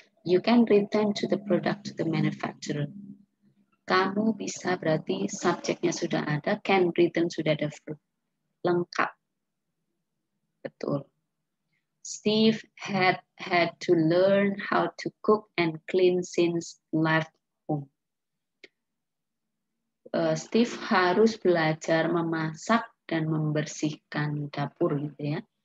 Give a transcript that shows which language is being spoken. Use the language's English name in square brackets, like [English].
[English] You can return to the product to the manufacturer. [Indonesian] Kamu bisa, berarti subjeknya sudah ada, can return sudah ada verb. Lengkap. Betul. [English] Steve had to learn how to cook and clean since left home. [Indonesian] Steve harus belajar memasak dan membersihkan dapur gitu ya.